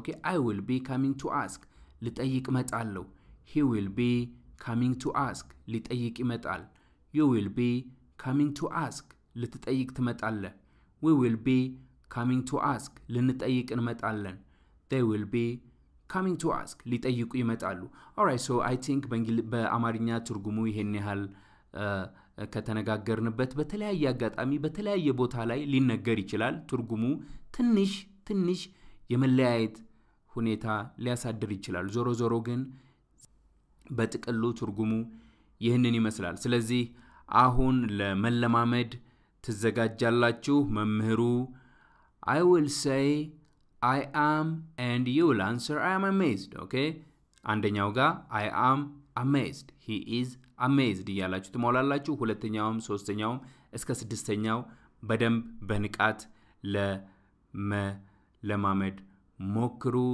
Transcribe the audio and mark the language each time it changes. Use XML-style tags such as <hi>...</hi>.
<en>Okay? I will be coming to ask.</en> <am>ልጠይቅ እመጣለሁ.</am> <en>He will be coming to ask.</en> <am>ሊጠይቅ ይመጣል.</am> <en>You will be coming to ask.</en> <am>ልትጠይቅ ትመጣለህ.</am> <en>We will be coming to ask.</en> <am>ልንጠይቅ እንመጣለን.</am> <en>They will be coming to ask.</en> <am>ሊጠይቁ ይመጣሉ.</am> <en>All right, so I think</en> <am>በአማርኛ ትርጉሙ ይሄን ያህል ከተነጋገርንበት በተለያየ አጋጣሚ በተለያየ ቦታ ላይ ሊነገር ይችላል. ትርጉሙ ትንሽ የመለያየት ሁኔታ ሊያሳድር ይችላል. ዞሮ ዞሮ ግን በጥቅሉ ትርጉሙ ይህንን ይመስላል. ስለዚህ አሁን ለመለማመድ ትዘጋጃላችሁ.</am> <en>መምህሩ I will say I am and you will answer I am amazed. Okay?</en> <am>አንደኛው ጋር</am> <en>I am amazed. He is amazed</en> <am>ይያላችሁ ትሞላላችሁ. ሁለተኛውም ሶስተኛውም እስከ ስድስተኛው በደንብ በንቃት ለመለማመድ ሞክሩ.</am>